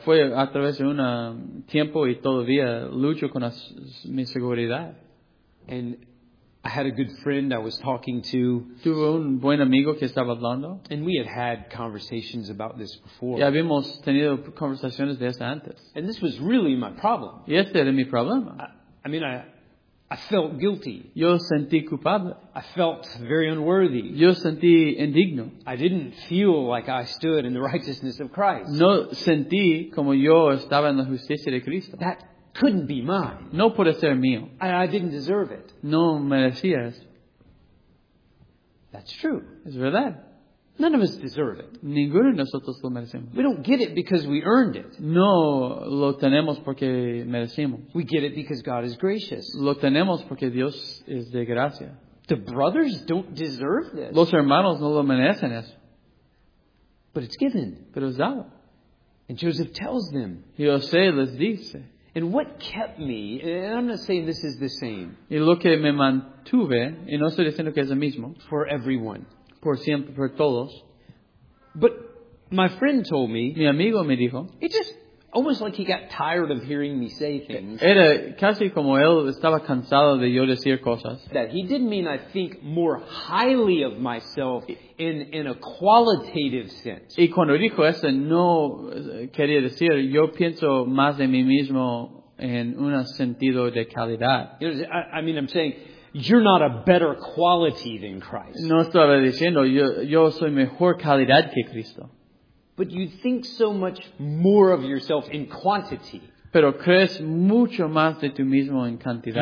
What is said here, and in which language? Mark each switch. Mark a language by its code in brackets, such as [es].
[es] Fue a través de un tiempo y todavía lucho con mi seguridad. [en] And I had a good friend I was talking to. [es] Tuve un buen amigo que estaba hablando. [en] And we had conversations about this before. [es] Y habíamos tenido conversaciones de eso antes. [en] And this was really my problem. [es] Y este era mi problema. [en] I felt guilty. [es] Yo sentí culpable. [en] I felt very unworthy. [es] Yo sentí indigno. [en] I didn't feel like I stood in the righteousness of Christ. [es] No sentí como yo estaba en la justicia de Cristo. [en] That couldn't be mine. [es] No puede ser mío. [en] I didn't deserve it. [es] No merecía eso. [en] That's true. [es] Es verdad. [en] None of us deserve it. [es] Ninguno de nosotros lo merecemos. [en] We don't get it because we earned it. [es] No lo tenemos porque merecemos. [en] We get it because God is gracious. [es] Lo tenemos porque Dios es de gracia. [en] The brothers don't deserve this. [es] Los hermanos no lo merecen eso. [en] But it's given. [es] Pero es dado. [en] And Joseph tells them. [es] Y José les dice. [en] And what kept me, and I'm not saying this is the same. [es] Y lo que me mantuve, y no estoy diciendo que es el mismo. [en] For everyone. [es] Por siempre, por todos. [en] But my friend told me. [es] Mi amigo me dijo. [en] It just almost like he got tired of hearing me say things. [es] Era casi como él estaba cansado de yo decir cosas. [en] That he didn't mean I think more highly of myself in a qualitative sense. [es] Y cuando dijo eso, no quería decir yo pienso más de mí mismo en un sentido de calidad. [en] You know, I mean, I'm saying. You're not a better quality than Christ. [es] No estaba diciendo yo soy mejor calidad que Cristo. [en] But you think so much more of yourself in quantity. [es] Pero crees mucho más de tú mismo en cantidad.